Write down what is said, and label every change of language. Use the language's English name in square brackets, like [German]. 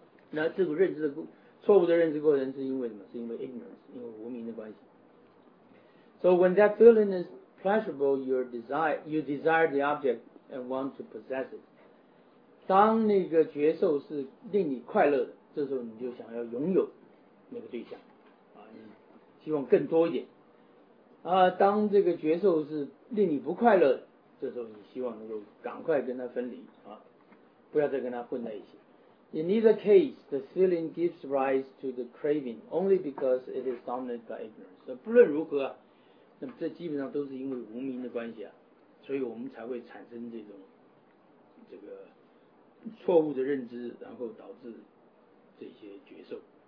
[Chinese] 那这个认知的错误的认知过程是因为什么？是因为 ignorance， 因为无明的关系。 [English] So when that feeling is pleasurable, you desire the object and want to possess it. [Chinese] 当那个觉受是令你快乐的，这时候你就想要拥有那个对象。希望更多一点啊！当这个觉受是令你不快乐的，这时候你希望能够赶快跟他分离啊，不要再跟他混在一起。 [English] In either case, the feeling gives rise to the craving only because it is dominated by ignorance. [Chinese] 所以不论如何啊，那么这基本上都是因为无明的关系啊，所以我们才会产生这个错误的认知，然后导致这些觉受。